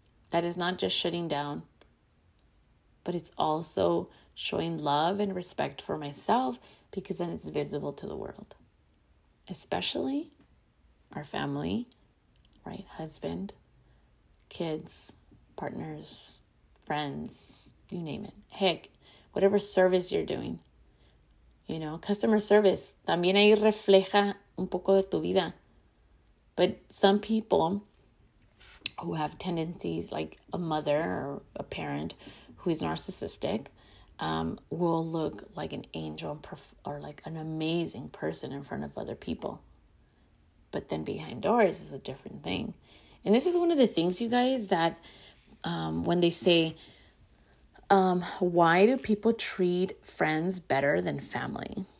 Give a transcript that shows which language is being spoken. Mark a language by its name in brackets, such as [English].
[English] That is not just shutting down, but it's also showing love and respect for myself, because then it's visible to the world, especially our family, right? Husband, kids, partners, friends, you name it. Heck, whatever service you're doing, you know, customer service. [Spanish] También ahí refleja un poco de tu vida. [English] But some people who have tendencies, like a mother or a parent who is narcissistic, will look like an angel or like an amazing person in front of other people. But then behind doors is a different thing. And this is one of the things, you guys, that when they say, why do people treat friends better than family?